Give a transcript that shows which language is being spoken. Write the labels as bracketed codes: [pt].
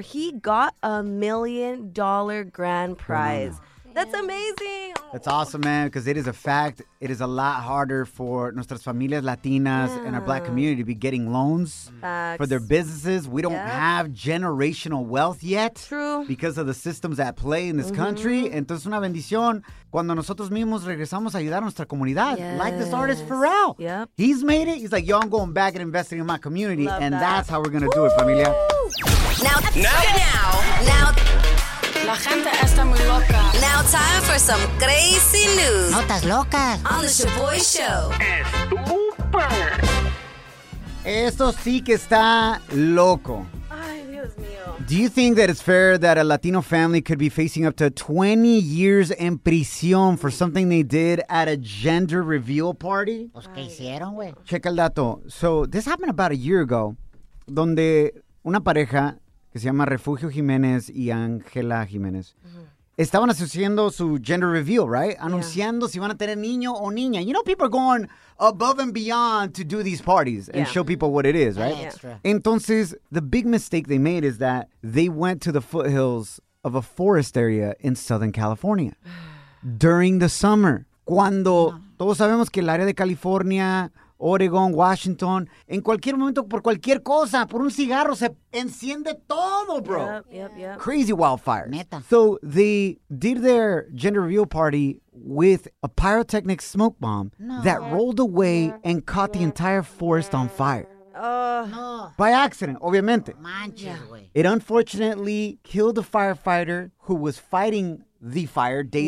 [en] He got $1 million grand prize. Mm. That's amazing. That's awesome, man, because it is a fact. It is a lot harder for [es] nuestras familias latinas [en] yeah, and our Black community to be getting loans facts, for their businesses. We don't yeah, have generational wealth yet. True. Because of the systems at play in this mm-hmm, country. [es] Entonces, una bendición cuando nosotros mismos regresamos a ayudar a nuestra comunidad. [en] Yes. Like this artist Pharrell. Yep. He's made it. He's like, yo, I'm going back and investing in my community. Love and that, that's how we're going to do it, familia. Now. [es] La gente está muy loca. [en] Now time for some crazy news. [es] Notas locas. [en] On the Shaboy Show. [es] Estupor. Esto sí que está loco. [en] Do you think that it's fair that a Latino family could be facing up to 20 years in prison for something they did at a gender reveal party? [es] Pues, ¿qué hicieron, güey? Checa el dato. [en] So, this happened about a year ago, [es] donde una pareja que se llama Refugio Jiménez y Ángela Jiménez estaban haciendo su [en] gender reveal, right? [es] Anunciando [en] yeah, [es] si van a tener niño o niña. [en] You know, people are going above and beyond to do these parties and yeah, show people what it is, right? Yeah, yeah. [es] Entonces, [en] the big mistake they made is that they went to the foothills of a forest area in Southern California during the summer. [es] Cuando todos sabemos que el área de California, Oregon, Washington, en cualquier momento, por cualquier cosa, por un cigarro, se enciende todo, bro. [en] Yep, yep, yep. Crazy wildfires. Meta. So they did their gender reveal party with a pyrotechnic smoke bomb that rolled away and caught the entire forest on fire. No. By accident, [es] obviamente. Manches, [en] yeah. It unfortunately killed a firefighter who was fighting the fire days